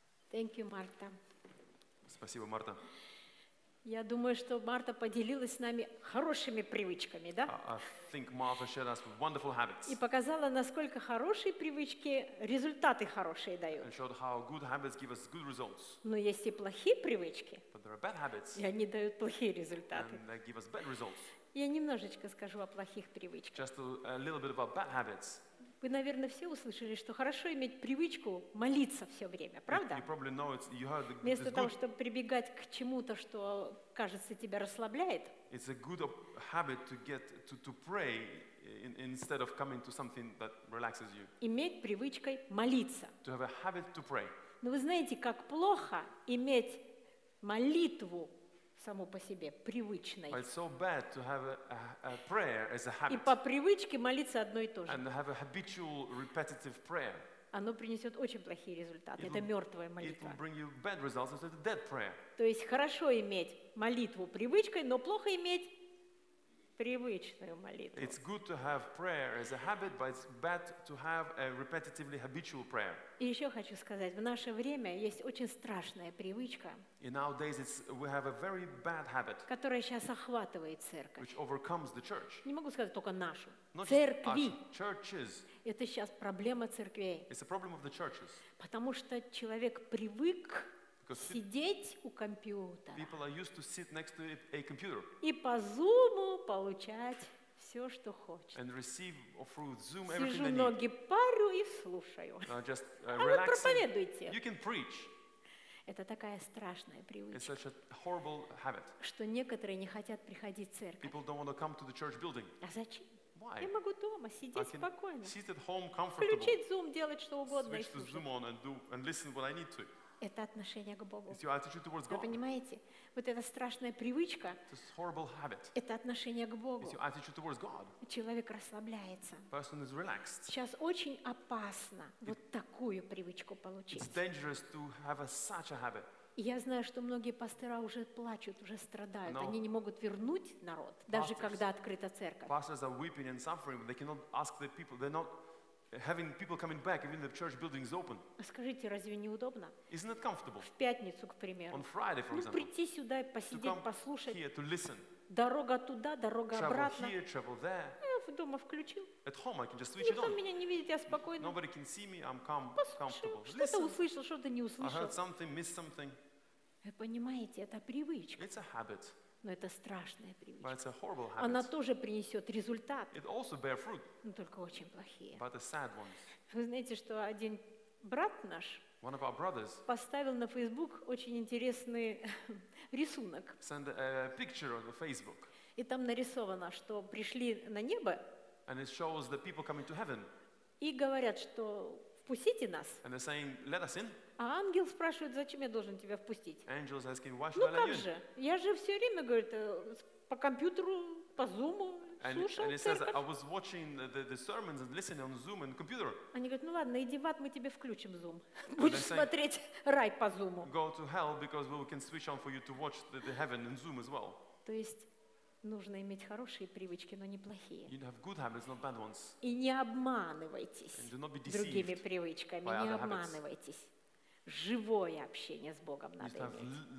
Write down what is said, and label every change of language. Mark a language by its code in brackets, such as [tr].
[en] Thank you, Marta. [ru] Спасибо, Марта. Я думаю, что Марта поделилась с нами хорошими привычками, да? [en] I think Martha shared us wonderful habits. [ru] И показала, насколько хорошие привычки результаты хорошие дают. [en] And showed how good habits give us good results. [ru] Но есть и плохие привычки. [en] But there are bad habits. [ru] И они дают плохие результаты. [en] And they give us bad results. [ru] Я немножечко скажу о плохих привычках. [en] Just a little bit about bad habits. [ru] Вы, наверное, все услышали, что хорошо иметь привычку молиться все время, правда? [en] You probably know it's, you heard this [ru] вместо [en] good... [ru] того, чтобы прибегать к чему-то, что кажется тебя расслабляет. [en] It's a good habit to get to pray instead of coming to something that relaxes you. [ru] Иметь привычкой молиться. [en] To have a habit to pray. [ru] Но вы знаете, как плохо иметь молитву саму по себе привычной. [en] But it's so bad to have a prayer as a habit. [ru] И по привычке молиться одно и то же. [en] And have a habitual repetitive prayer. [ru] Оно принесет очень плохие результаты. Это мертвая молитва. [en] It will bring you bad results. It's a dead prayer. [ru] То есть хорошо иметь молитву привычкой, но плохо иметь привычную молитву. [en] It's good to have prayer as a habit, but it's bad to have a repetitively habitual prayer. [ru] И еще хочу сказать, в наше время есть очень страшная привычка. [en] In nowadays it's we have a very bad habit. [ru] Которая сейчас охватывает церковь. [en] Which overcomes the church. [ru] Не могу сказать только нашу. [en] Not [ru] церкви. [en] Churches. [ru] Это сейчас проблема церквей. [en] It's a problem of the churches. [ru] Потому что человек привык сидеть у компьютера. [en] People are used to sit next to a computer. [ru] И по Zoom'у получать все, что хочет. [en] And receive through Zoom everything they need. [ru] Сижу, ноги парю и слушаю. [en] Just, relaxing. [ru] А вы проповедуйте. [en] You can preach. [ru] Это такая страшная привычка. [en] It's such a horrible habit. [ru] Что некоторые не хотят приходить в церковь. [en] People don't want to come to the church building. [ru] А зачем? [en] Why? [ru] Я могу дома сидеть спокойно. [en] Sit at home comfortable. [ru] Включить Zoom, делать что угодно. [en] Switch the Zoom on and do and listen what I need to. [ru] Это отношение к Богу. [en] It's your attitude towards God. [ru] Вы понимаете? Вот эта страшная привычка. [en] This horrible habit. [ru] Это отношение к Богу. [en] It's your attitude towards God. [ru] Человек расслабляется. [en] Person is relaxed. [ru] Сейчас очень опасно вот такую привычку получить. [en] It's dangerous to have such a habit. [ru] Я знаю, что многие пастора уже плачут, уже страдают. Они не могут вернуть народ, даже когда открыта церковь. [en] Pastors are weeping and suffering, but they cannot ask the people. They're not having people coming back, even the church buildings open. [ru] Скажите, разве не удобно? [en] Isn't it comfortable? [ru] В пятницу, к примеру. [en] On Friday, for example. [ru] Ну, прийти сюда и посидеть, послушать. [en] To come here to listen. [ru] Дорога туда, дорога обратно. [en] Travel here, travel there. [ru] Дома включил. [en] At home, I can just switch it on. [ru] Никто меня не видит, я спокойно. [en] Nobody can see me, I'm calm, comfortable. [ru] Что-то услышал, что-то не услышал. [en] I heard something, missed something. [ru] Вы понимаете, это привычка. [en] It's a habit. [ru] Но это страшная привычка. [en] But it's a horrible habit. [ru] Она тоже принесет результат. [en] It also bear fruit. [ru] Но только очень плохие. [en] But the sad ones. [ru] Вы знаете, что один брат наш [en] One of our brothers [ru] поставил на Facebook очень интересный рисунок. [en] Send a picture on the Facebook. [ru] И там нарисовано, что пришли на небо. [en] And it shows the people coming to heaven. [ru] И говорят, что впустите нас. [en] And they're saying, let us in. [ru] А ангел спрашивает, зачем я должен тебя впустить? [en] Angel's asking, why should I let you in? [ru] Ну как же? Я же все время, говорит, по компьютеру, по Zoom слушал. [en] And it says, I was watching the sermons and listening on Zoom and computer. [ru] Они говорят, ну ладно, иди в ад, мы тебе включим Zoom. Будешь смотреть рай по Zoom. [en] Go to hell because we can switch on for you to watch the heaven in Zoom as well. [ru] То есть нужно иметь хорошие привычки, но не плохие. [en] You have good habits, not bad ones. [ru] И не обманывайтесь другими привычками. Не обманывайтесь. Живое общение с Богом надо иметь.